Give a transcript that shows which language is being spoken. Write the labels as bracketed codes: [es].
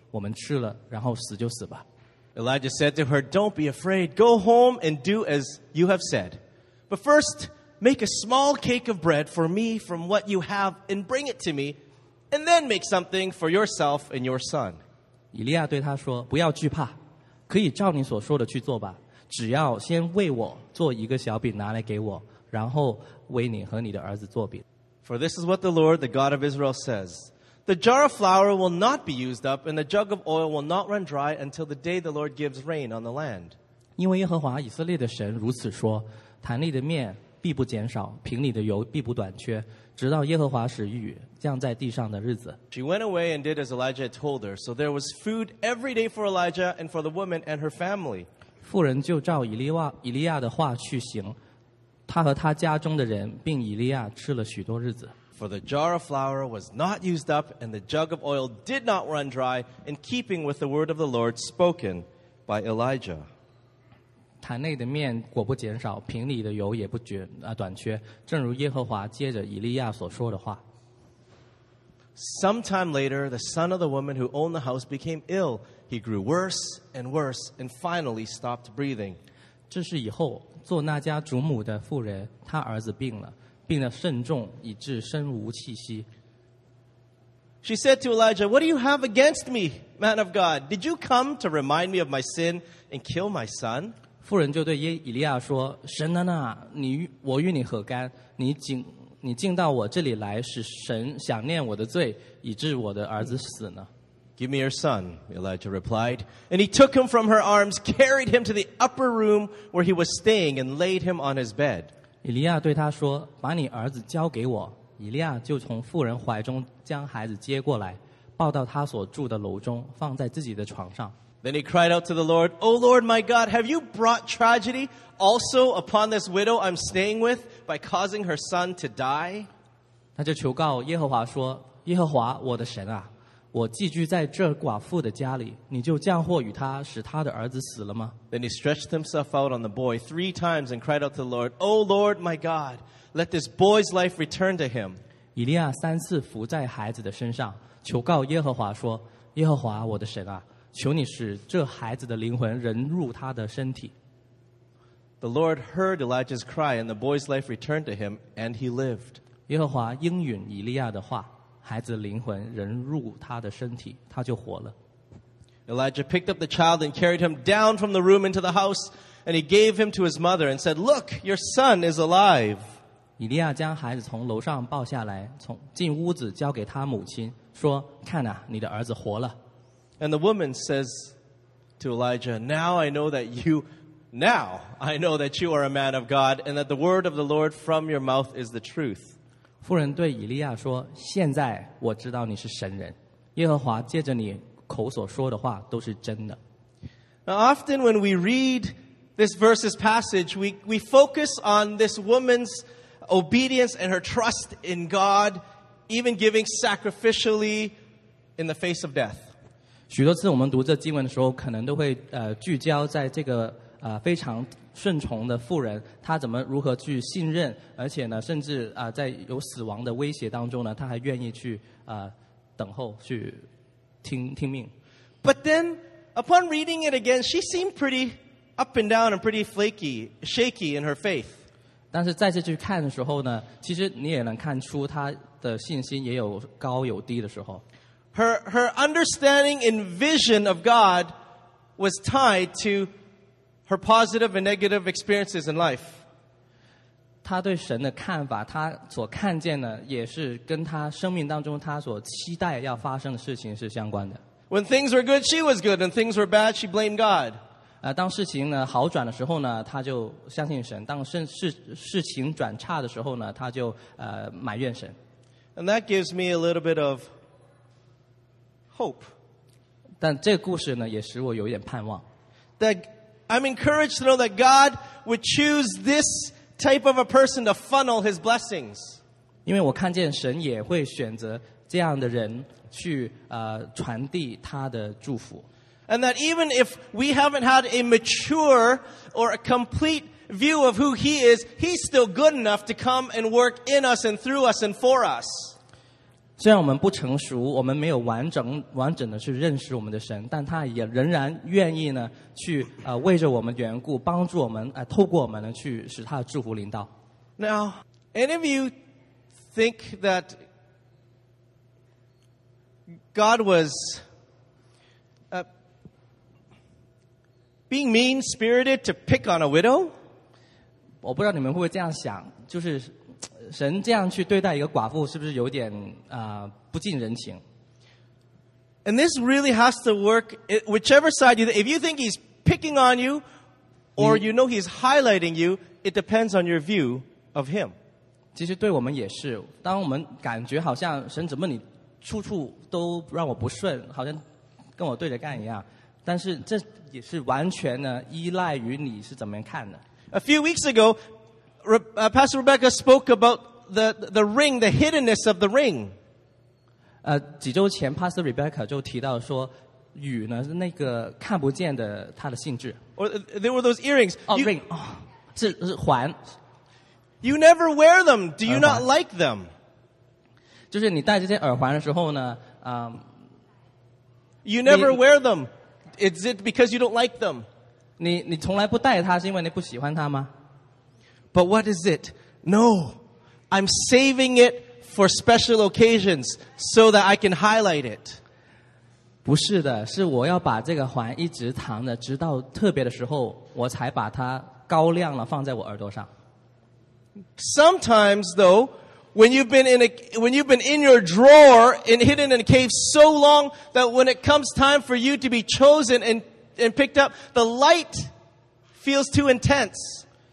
[zh] 他说,我指着永生耶和华,你的神启示,我没有饼,坛里只有一把面,瓶里只有一点油,我现在找两根柴,回家要为我和我儿子做饼,我们吃了,然后死就死吧。Elijah [en] said to her, "Don't be afraid, go home and do as you have said. But first, make a small cake of bread for me from what you have and bring it to me, and then make something for yourself and your son." [zh] 以利亚对他说,不要惧怕。 [en] For this is what the Lord, the God of Israel, says. The jar of flour will not be used up, and the jug of oil will not run dry until the day the Lord gives rain on the land. [zh] 因为耶和华以色列的神如此说,坛里的面必不减少,瓶里的油必不短缺,直到耶和华使雨降在地上的日子。 [en] She went away and did as Elijah told her, so there was food every day for Elijah and for the woman and her family. [zh] 妇人就照以利亚的话去行，他和他家中的人并以利亚吃了许多日子。 [en] For the jar of flour was not used up, and the jug of oil did not run dry, in keeping with the word of the Lord spoken by Elijah. [zh] 坛内的面果不减少，瓶里的油也不绝啊短缺，正如耶和华借着以利亚所说的话。 [en] Sometime later, the son of the woman who owned the house became ill. He grew worse and worse, and finally stopped breathing. [zh] 这是以后做那家主母的妇人，她儿子病了，病得甚重，以致身无气息。 [en] She said to Elijah, "What do you have against me, man of God? Did you come to remind me of my sin and kill my son?" [zh] 妇人就对以利亚说：“神啊，我与你何干？你进到我这里来，使神想念我的罪，以致我的儿子死呢？” [en] Give me your son, Elijah replied. And he took him from her arms, carried him to the upper room where he was staying, and laid him on his bed. [zh] 以利亚对他说：“把你儿子交给我。” 以利亚就从妇人怀中将孩子接过来，抱到他所住的楼中，放在自己的床上。 [en] Then he cried out to the Lord, O Lord, my God, have you brought tragedy also upon this widow I'm staying with by causing her son to die? [zh] 他就求告耶和华说，耶和华我的神啊，我寄居在这寡妇的家里，你就降祸与她，使她的儿子死了吗？ [en] Then he stretched himself out on the boy 3 times and cried out to the Lord, O Lord, my God, let this boy's life return to him. [zh] 以利亚三次伏在孩子的身上，求告耶和华说，耶和华我的神啊，求你使这孩子的灵魂仍入他的身体。 [en] The Lord heard Elijah's cry, and the boy's life returned to him, and he lived. [zh] 耶和华应允以利亚的话，孩子的灵魂仍入他的身体，他就活了。 [en] Elijah picked up the child and carried him down from the room into the house, and he gave him to his mother and said, Look, your son is alive. [zh] 以利亚将孩子从楼上抱下来，进屋子交给他母亲，说，看啊，你的儿子活了。 [en] And the woman says to Elijah, Now I know that you are a man of God, and that the word of the Lord from your mouth is the truth. [zh] 妇人对以利亚说，现在我知道你是神人，耶和华借着你口所说的话都是真的。 [en] Now often when we read this verse's passage, we focus on this woman's obedience and her trust in God, even giving sacrificially in the face of death. [zh] 许多次我们读这经文的时候，可能都会聚焦在这个非常顺从的妇人，她怎么如何去信任，而且呢，甚至在有死亡的威胁当中呢，她还愿意去等候去听命。 [en] But then, upon reading it again, she seemed pretty up and down and pretty shaky in her faith. [zh] 但是再次去看的时候呢，其实你也能看出她的信心也有高有低的时候。 [en] Her understanding and vision of God was tied to her positive and negative experiences in life. [zh] 她对神的看法，她所看见的，也是跟她生命当中她所期待要发生的事情是相关的。 [en] When things were good, she was good. When things were bad, she blamed God. [zh] 当事情呢好转的时候呢，她就相信神；当事情转差的时候呢，她就埋怨神。 [en] And that gives me a little bit of hope. [zh] 但这个故事呢，也使我有一点盼望。 [en] That I'm encouraged to know that God would choose this type of a person to funnel His blessings. [zh] 因为我看见神也会选择这样的人去传递他的祝福。 [en] And that even if we haven't had a mature or a complete view of who He is, He's still good enough to come and work in us and through us and for us. [zh] 虽然我们不成熟，我们没有完整的去认识我们的神，但他也仍然愿意呢去为着我们缘故帮助我们透过我们呢去使他的祝福临到。 [en] Now, any of you think that God was being mean-spirited to pick on a widow? [zh] 我不知道你们会不会这样想，就是神这样去对待一个寡妇，是不是有点不近人情 [en] ？And this really has to work. Whichever side you, if you think he's picking on you, or you know he's highlighting you, it depends on your view of him. [zh] 其实对我们也是，当我们感觉好像神怎么你处处都让我不顺，好像跟我对着干一样。但是这也是完全呢依赖于你是怎么看的。 [en] A few weeks ago, Pastor Rebecca spoke about the ring, the hiddenness of the ring. [zh] 几周前 Pastor Rebecca 就提到说雨呢那个看不见的它的性质。 [en] Or, there were those earrings. [zh] Ring. 是环。 [en] You never wear them. Do you not like them? [zh] 就是你戴这些耳环的时候呢 [en] You never wear them. Is it because you don't like them? [zh] 你从来不戴它是因为你不喜欢它吗？ [en] But what is it? No. I'm saving it for special occasions so that I can highlight it. [zh] 不是的，是我要把这个环一直藏着，直到特别的时候，我才把它高亮了放在我耳朵上。 [en] Sometimes though,When you've been in your drawer and hidden in a cave so long that when it comes time for you to be chosen and picked up, the light feels too intense.